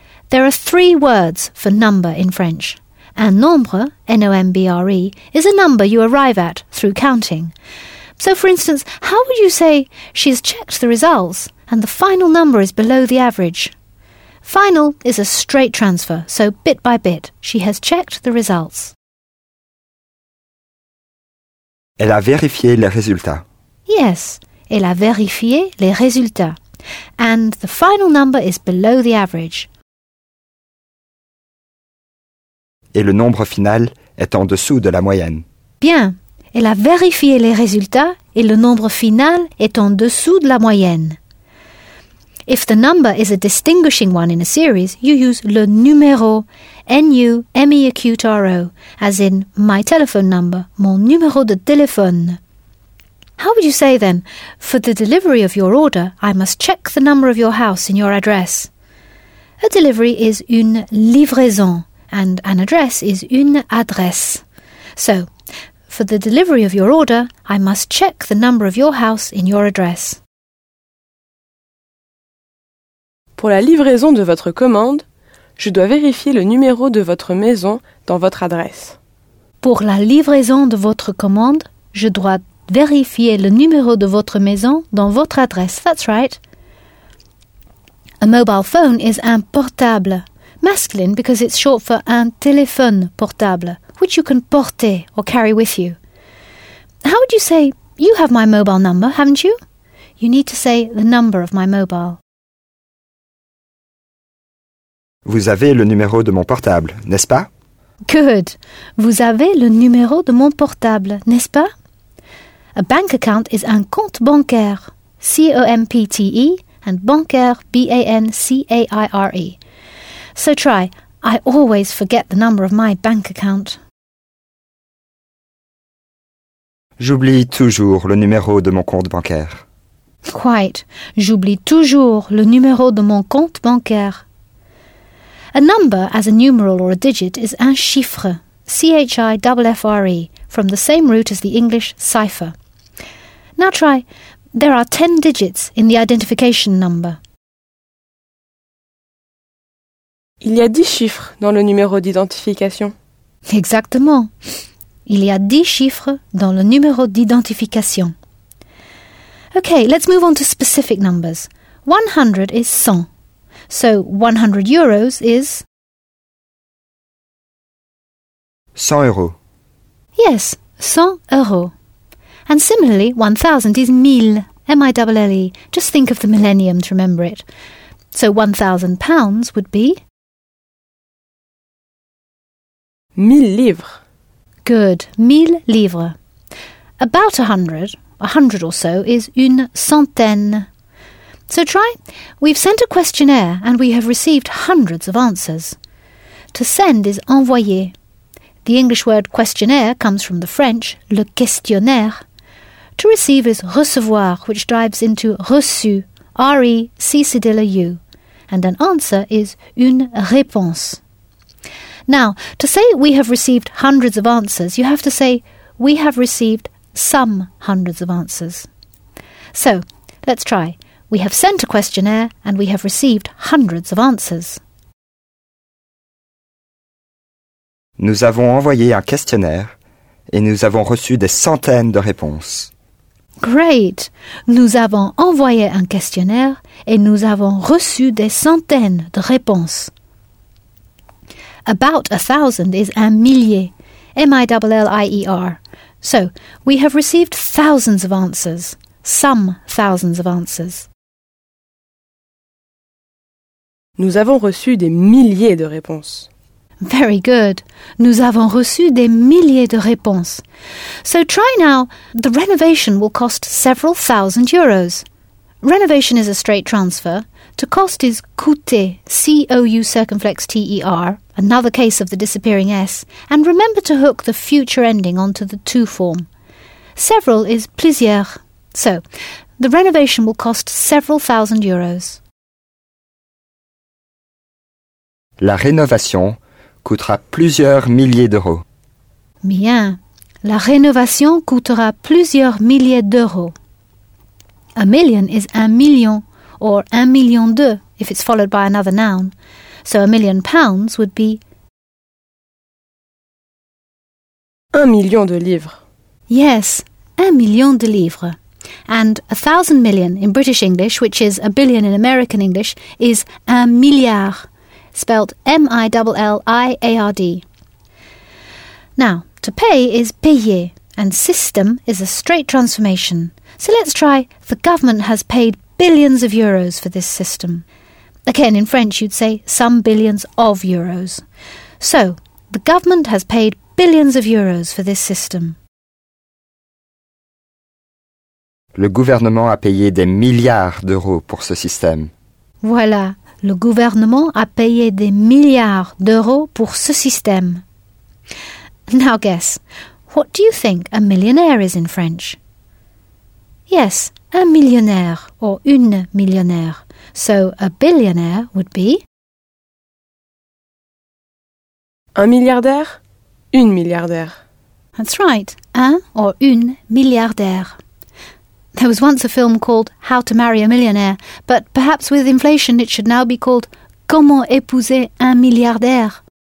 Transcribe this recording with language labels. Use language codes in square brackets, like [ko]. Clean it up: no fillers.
[en] There are three words for number in French. Un nombre, N-O-M-B-R-E, is a number you arrive at through counting. So, for instance, how would you say she has checked the results and the final number is below the average? Final is a straight transfer, so bit by bit, she has checked the results. [fr] Elle a vérifié les résultats. [en] Yes, [fr] elle a vérifié les résultats. [en] And the final number is below the average. [fr] Et le nombre final est en dessous de la moyenne. Bien, elle a vérifié les résultats et le nombre final est en dessous de la moyenne. [en] If the number is a distinguishing one in a series, you use le numéro, N-U-M-E-A-Q-T-R-O, as in my telephone number, [fr] mon numéro de téléphone. [en] How would you say then, for the delivery of your order, I must check the number of your house in your address? A delivery is une livraison, and an address is une adresse. So, for the delivery of your order, I must check the number of your house in your address. [fr] Pour la livraison de votre commande, je dois vérifier le numéro de votre maison dans votre adresse. Pour la livraison de votre commande, je dois vérifier le numéro de votre maison dans votre adresse. [en] That's right. A mobile phone is un portable. Masculine because it's short for [fr] un téléphone portable, [en] which you can porter or carry with you. How would you say, you have my mobile number, haven't you? You need to say the number of my mobile. [fr] Vous avez le numéro de mon portable, n'est-ce pas? [en] Good. [fr] Vous avez le numéro de mon portable, n'est-ce pas? [en] A bank account is [fr] un compte bancaire, [en] C-O-M-P-T-E, and bancaire, B-A-N-C-A-I-R-E. So try, I always forget the number of my bank account. [fr] J'oublie toujours le numéro de mon compte bancaire. [en] Quite. [fr] J'oublie toujours le numéro de mon compte bancaire. [en] A number, as a numeral or a digit, is un chiffre, C-H-I-F-F-R-E, from the same root as the English cipher. Now try, there are 10 digits in the identification number. [fr] Il y a 10 chiffres dans le numéro d'identification. Exactement. Il y a 10 chiffres dans le numéro d'identification. [en] Okay, let's move on to specific numbers. 100 is 100. So, 100 euros is... [fr] 100 euros. [en] Yes, 100 euros. And similarly, 1,000 is 1,000, M-I-L-L-E. Just think of the millennium to remember it. So, 1,000 pounds would be... [fr] 1,000 livres. [en] Good. [fr] 1,000 livres. [en] About 100, 100 or so, is [fr] une centaine. [en] So try. We've sent a questionnaire and we have received hundreds of answers. To send is envoyer. The English word questionnaire comes from the French, le questionnaire. To receive is recevoir, which dives into reçu, R-E-C-C-D-L-U. And an answer is une réponse. Now, to say we have received hundreds of answers, you have to say we have received some hundreds of answers. So, let's try. We have sent a questionnaire and we have received hundreds of answers. [fr] Nous avons envoyé un questionnaire et nous avons reçu des centaines de réponses. [en] Great! [fr] Nous avons envoyé un questionnaire et nous avons reçu des centaines de réponses. [en] About 1,000 is un millier, M-I-L-L-I-E-R. So, we have received thousands of answers, some thousands of answers. [fr] Nous avons reçu des milliers de réponses. [en] Very good. [fr] Nous avons reçu des milliers de réponses. [en] So try now, the renovation will cost several thousand euros. Renovation is a straight transfer. To cost is coûter, C-O-U-C-E-R, another case of the disappearing S. And remember to hook the future ending onto the to form. Several is plusieurs. So, the renovation will cost several thousand euros. [fr] La rénovation coûtera plusieurs milliers d'euros. Bien. La rénovation coûtera plusieurs milliers d'euros. [en] A million is [fr] un million, [en] or [fr] un million d'euros [en] if it's followed by another noun. So £1 million would be... [fr] 1 million de livres. [en] Yes, [fr] 1 million de livres. [en] And 1,000 million in British English, which is 1 billion in American English, is 1 milliard, spelled M-I-L-L-I-A-R-D. Now, to pay is payer, and system is a straight transformation. So let's try, the government has paid billions of euros for this system. Again, in French, you'd say some billions of euros. So, the government has paid billions of euros for this system. [fr] Le gouvernement a payé des milliards d'euros pour ce système. Voilà, le gouvernement a payé des milliards d'euros pour ce système. [en] Now guess, what do you think a millionaire is in French? Yes, [fr] un millionnaire [en] or [fr] une millionnaire. [en] So a billionaire would be... [fr] Un milliardaire, une milliardaire. [en] That's right, un or [fr] une milliardaire. [en] There was once a film called How to Marry a Millionaire, but perhaps with inflation it should now be called [fr] Comment épouser un milliardaire?